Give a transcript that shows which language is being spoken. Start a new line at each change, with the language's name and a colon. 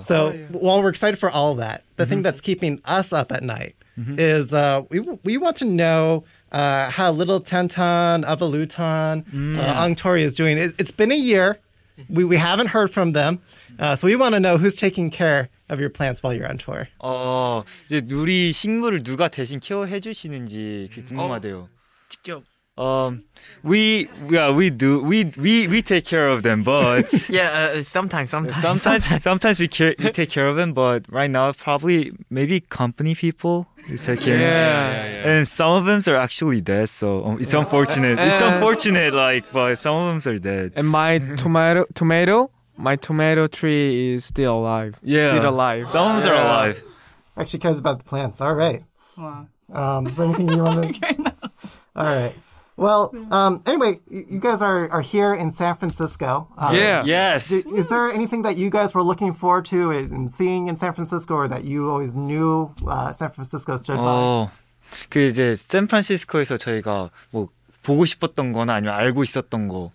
English: So while we're excited for all of that, the thing that's keeping us up at night is we want to know how Little Tantan, Avalutan, Angtori is doing. It's been a year. We haven't heard from them. So we want to know who's taking care of your plants while you're on tour.
Korean: 이제 우리 식물을 누가 대신 케어해 주시는지 궁금하대요. 직접.
English: We take care of them, but sometimes we take care of them, but right now probably maybe company people is taking care. And some of them are actually dead, so it's unfortunate. It's unfortunate, like, but some of them are dead. And my tomato tree is still alive. Yeah, still alive. Some of them are alive. Actually cares about the plants. All right. Is there anything you want to? All right. Well, anyway, you guys are here in San Francisco. Is there anything that you guys were looking forward to in seeing in San Francisco or that you always knew San Francisco stood by?
Korean: 그 이제 샌프란시스코에서 저희가 뭐 보고 싶었던 거나 아니면 알고 있었던 거.